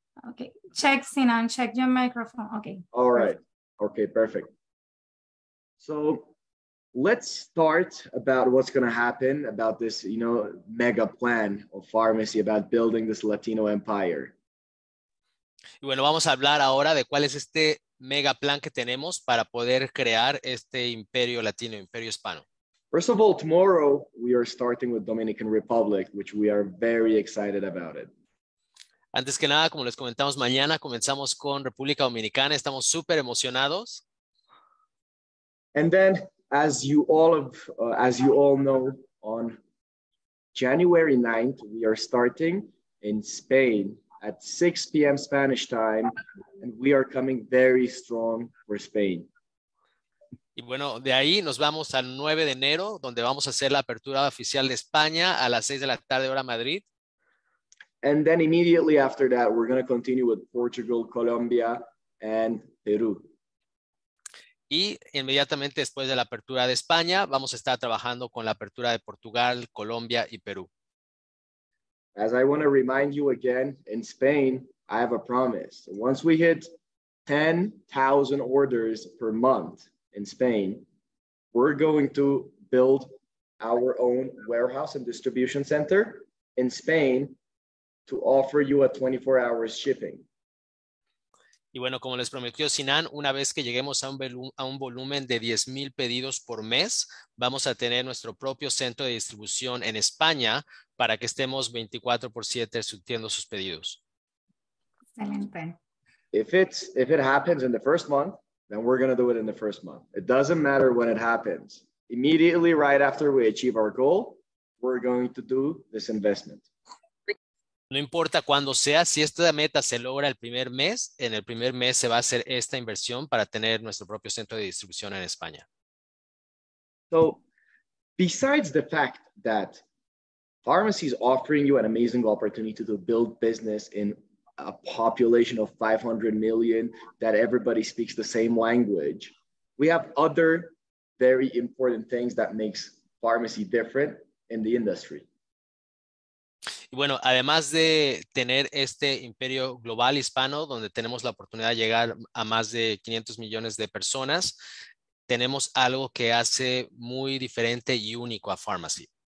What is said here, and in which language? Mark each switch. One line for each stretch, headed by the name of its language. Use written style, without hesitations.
English: Okay, check Sinan, check your microphone, okay. All right, okay, perfect. So let's start about what's gonna happen about this, you know, mega plan of pharmacy about building this Latino empire.
Spanish: Y bueno, vamos a hablar ahora de cuál es este mega plan que tenemos para poder crear este imperio latino, imperio hispano.
English: First of all, tomorrow we are starting with Dominican Republic, which we are very excited about it.
Spanish: Antes que nada, como les comentamos, mañana comenzamos con República Dominicana. Estamos súper emocionados.
English: And then, as you all know, on January 9th, we are starting in Spain at 6 p.m. Spanish time, and we are coming very strong for Spain.
Spanish: Y bueno, de ahí nos vamos al 9 de enero, donde vamos a hacer la apertura oficial de España a las 6 de la tarde, hora Madrid.
English: And then immediately after that, we're going to continue with Portugal, Colombia, and Peru.
Spanish: Y inmediatamente después de la apertura de España, vamos a estar trabajando con la apertura de Portugal, Colombia y Perú.
English: As I want to remind you again, in Spain, I have a promise. Once we hit 10,000 orders per month in Spain, we're going to build our own warehouse and distribution center in Spain to offer you a 24-hour shipping.
Spanish: Y bueno, como les prometió Sinan, una vez que lleguemos a un volumen de 10,000 pedidos por mes, vamos a tener nuestro propio centro de distribución en España para que estemos 24/7 surtiendo sus pedidos. Excelente.
English: If it happens in the first month, then we're going to do it in the first month. It doesn't matter when it happens. Immediately right after we achieve our goal, we're going to do this investment.
Spanish: No importa cuándo sea, si esta meta se logra el primer mes, en el primer mes se va a hacer esta inversión para tener nuestro propio centro de distribución en España.
English: So, besides the fact that pharmacy is offering you an amazing opportunity to build business in a population of 500 million that everybody speaks the same language, we have other very important things that makes pharmacy different in the industry.
Spanish: Y bueno, además de tener este imperio global hispano, donde tenemos la oportunidad de llegar a más de 500 millones de personas, tenemos algo que hace muy diferente y único a Pharmacy.